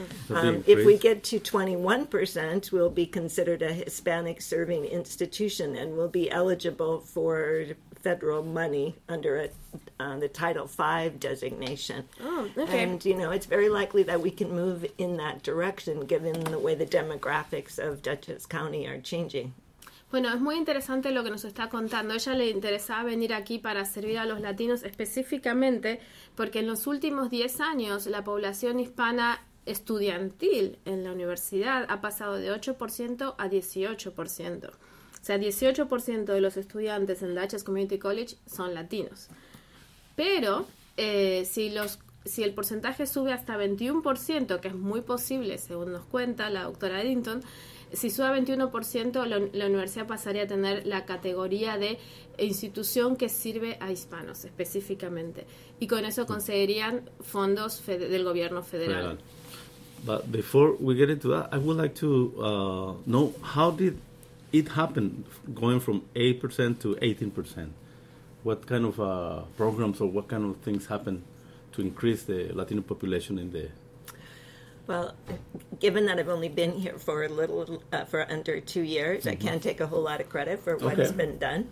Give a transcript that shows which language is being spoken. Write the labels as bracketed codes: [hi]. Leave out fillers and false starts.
[en] If we get to 21%, we'll be considered a Hispanic-serving institution and we'll be eligible for federal money under the Title V designation. Oh, okay. And, you know, it's very likely that we can move in that direction given the way the demographics of Dutchess County are changing. [es] Bueno, es muy interesante lo que nos está contando. Ella le interesaba venir aquí para servir a los latinos específicamente porque en los últimos 10 años la población hispana estudiantil en la universidad ha pasado de 8% a 18%. O sea, 18% de los estudiantes en Dutchess Community College son latinos. Pero si el porcentaje sube hasta 21%, que es muy posible, según nos cuenta la doctora Eddington, si sube a 21%, la universidad pasaría a tener la categoría de institución que sirve a hispanos específicamente. Y con eso conseguirían fondos del gobierno federal. [en] But before we get into that, I would like to know, how did it happen going from 8% to 18%? What kind of programs or what kind of things happened to increase the Latino population in the... Well, given that I've only been here for a little, for under 2 years, mm-hmm. I can't take a whole lot of credit for what has been done.